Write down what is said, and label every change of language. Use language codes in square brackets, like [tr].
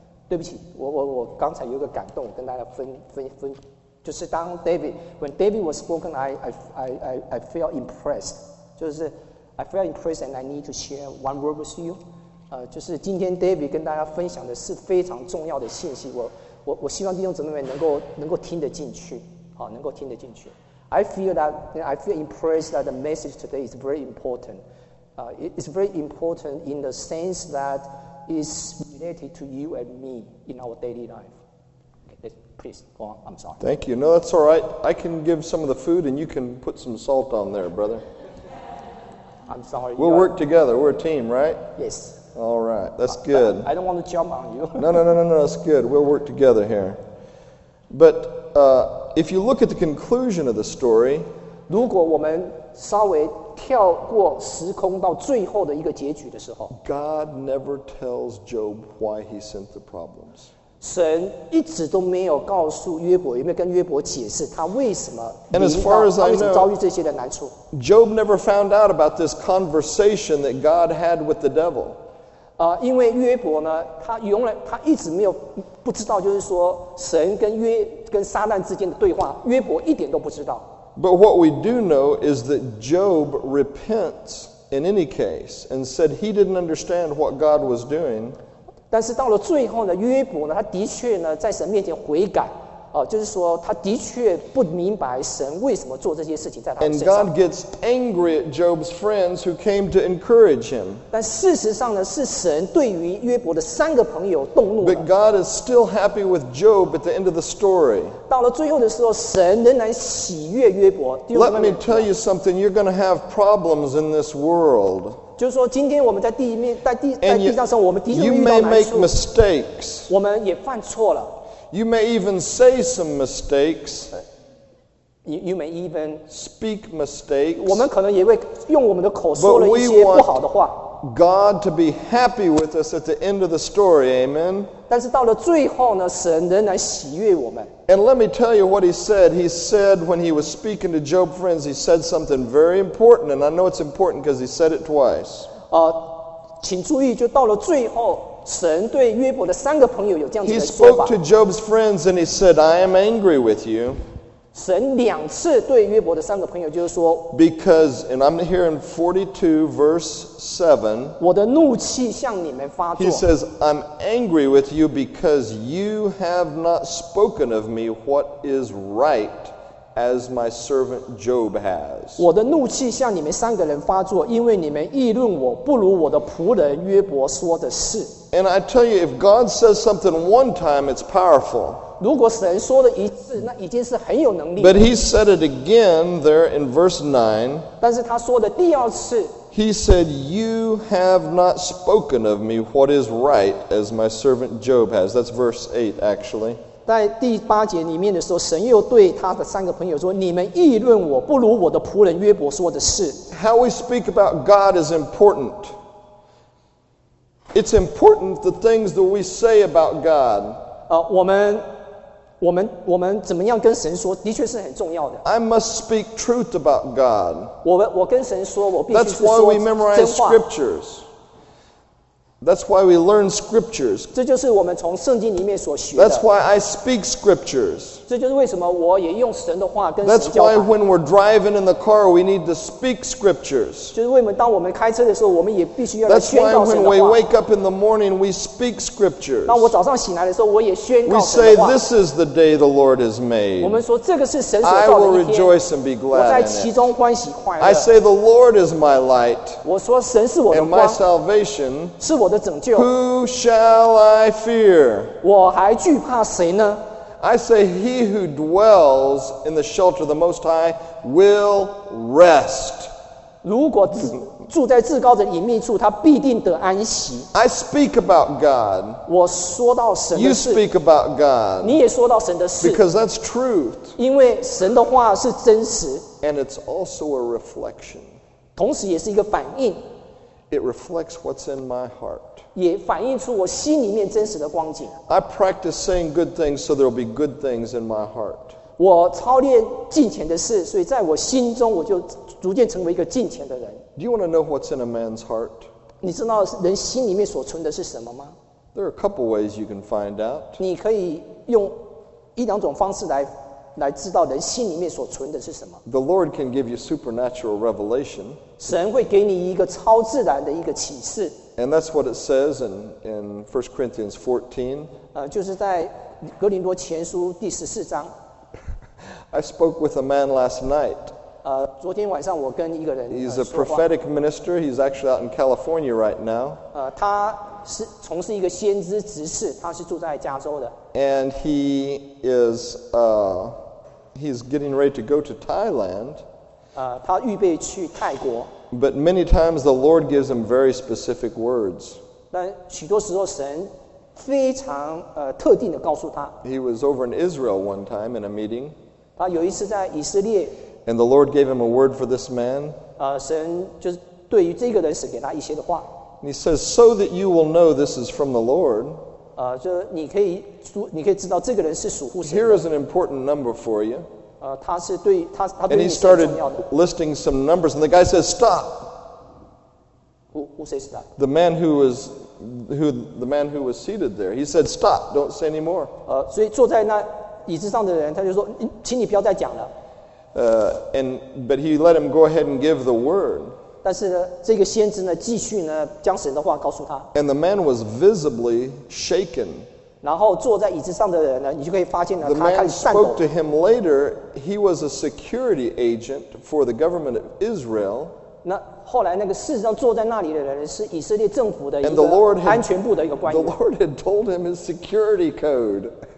[zh] 对不起，我刚才有个感动，我跟大家分，就是当 [en] David was spoken, I felt impressed. [zh] 就是 [en] I felt impressed and I need to share one word with you. [zh] 就是今天 David 跟大家分享的是非常重要的信息。我希望弟兄姊妹能够听得进去，好，能够听得进去。 [en] I feel impressed that the message today is very important. It's very important in the sense that. Is related to you and me in our daily life. Okay, please go on. I'm sorry. Thank you. No, that's all right. I can give some of the food, and you can put some salt on there, brother. I'm sorry. We'll work together. We're a team, right? Yes. All right. That's good. I don't want to jump on you. No. That's good. We'll work together here. But if you look at the conclusion of the story, [zh] 如果我们稍微跳过时空到最后的一个结局的时候， [en] God never tells Job why he sent the problems. [zh] 神一直都没有告诉约伯，也没有跟约伯解释他为什么， [en] and as far as I know, [zh] 他为什么遭遇这些的难处。 [en] Job never found out about this conversation that God had with the devil. [zh] 因为约伯呢，他一直没有不知道，就是说神跟撒旦之间的对话，约伯一点都不知道。 [en] But what we do know is that Job repents in any case and said he didn't understand what God was doing. [zh] 但是到了最后呢，约伯呢，他的确呢，在神面前悔改，就是说他的确不明白神为什么做这些事情在他身上。 [en] And God gets angry at Job's friends who came to encourage him. [zh] 但事实上呢，是神对于约伯的三个朋友动怒了。 [en] But God is still happy with Job at the end of the story. [zh] 到了最后的时候，神仍然喜悦约伯。 [en] Let me tell you something, you're going to have problems in this world. [zh] 就是说今天我们在 地上我们的确会遇到难处 [en] mistakes, [zh] 我们也犯错了 [en] you may even say some mistakes, you may even speak mistakes, [zh] 我们可能也会用我们的口说了一些不好的话 [en] but we want God to be happy with us at the end of the story, amen? [zh] 但是到了最后呢，神仍然喜悦我们 [en] and let me tell you what he said, he said when he was speaking to Job's friends, he said something very important, and I know it's important because he said it twice. [zh] 请注意，就到了最后，神对约伯的三个朋友有这样子的说法 [en] he spoke to Job's friends and he said, I am angry with you. [zh] 神两次对约伯的三个朋友就是说 [en] Because, and I'm here in 42 verse 7 [zh] 我的怒气向你们发作 [en] He says, I'm angry with you because you have not spoken of me what is right as my servant Job has [zh] 我的怒气向你们三个人发作因为你们议论我不如我的仆人约伯说的是 [en] And I tell you, if God says something one time, it's powerful [zh] 如果神说了一次，那已经是很有能力。 [en] But he said it again there in verse 9. [zh] 但是他说的第二次。 [en] He said, "You have not spoken of me what is right, as my servant Job has." That's verse 8, actually. [zh] 在第八节里面的时候，神又对他的三个朋友说：“你们议论我，不如我的仆人约伯说的是。” [en] How we speak about God is important. It's important the things that we say about God. [zh] 我们怎么样跟神说，的确是很重要的。 [en] I must speak truth about God. [zh] 我跟神说，我必须是说真话。 [en] That's why we memorize scriptures. That's why we learn scriptures. [zh] 这就是我们从圣经里面所学的。 [en] That's why I speak scriptures. [zh] 这就是为什么我也用神的话跟神交谈。 [en] That's why when we're driving in the car, we need to speak scriptures. [zh] 就是为什么当我们开车的时候，我们也必须要来宣告神的话。 [en] That's why when we wake up in the morning, we speak scriptures. [zh] 那我早上醒来的时候，我也宣告神的话。 [en] We say this is the day the Lord has made. [zh] 我们说这个是神所造的一天。 [en] I will rejoice and be glad. [zh] 我在其中欢喜快乐。 [en] I say the Lord is my light. [zh] 我说神是我的光。 [en] And my salvation. [zh] 是我。 [en] Who shall I fear? [zh] 我还惧怕谁呢? [en] I say he who dwells in the shelter of the Most High will rest. [zh] 如果住在至高者隐秘处，他必定得安息。 [en] I speak about God. [zh] 我说到神的事。 [en] You speak about God. [zh] 你也说到神的事。 [en] Because that's truth. [zh] 因为神的话是真实。 [en] And it's also a reflection. [zh] 同时也是一个反应。 [en] It reflects what's in my heart. [zh] 也反映出我心里面真实的光景。 [en] I practice saying good things so there will be good things in my heart. [zh] 我操练敬虔的事，所以在我心中我就逐渐成为一个敬虔的人。 [en] Do you want to know what's in a man's heart? [zh] 你知道人心里面所存的是什么吗？ [en] There are a couple ways you can find out. [zh] 你可以用一两种方式来知道人心里面所存的是什么。 [en] The Lord can give you supernatural revelation. [zh] 神会给你一个超自然的一个启示。 [en] And that's what it says in 1 Corinthians 14. [zh] 就是在哥林多前书第十四章。 [en] I spoke with a man last night. [zh] 昨天晚上我跟一个人说话。 [en] He's a prophetic minister. He's actually out in California right now. [zh] 他是从事一个先知执事，他是住在加州的。 [en] And he is, he's getting ready to go to Thailand. [zh] 他预备去泰国。 [en] But many times the Lord gives him very specific words. [zh] 但许多时候神非常特定的告诉他。 [en] He was over in Israel one time in a meeting. [zh] 他有一次在以色列。 [en] And the Lord gave him a word for this man. [zh] 神就是对于这个人使给他一些的话。 [en] And he says, so that you will know this is from the Lord. [zh] 就你可以知道这个人是属乎神的。 [en] Here is an important number for you. [zh] 他是对他对你是重要的。 [en] And he started listing some numbers, and the guy says, stop. Who says that? The man who was seated there. He said, stop, don't say any more. [zh] 所以坐在那椅子上的人，他就说，请你不要再讲了。 [en] But he let him go ahead and give the word. [zh] 但是呢，这个先知呢，继续呢，将神的话告诉他。 [en] And the man was visibly shaken. [zh] 然后坐在椅子上的人呢，你就可以发现呢，他开始颤抖。 [en] The man spoke to him later. He was a security agent for the government of Israel. [zh] 那后来那个事实上坐在那里的人是以色列政府的一个安全部的一个官员。 [en] The Lord had told him his security code.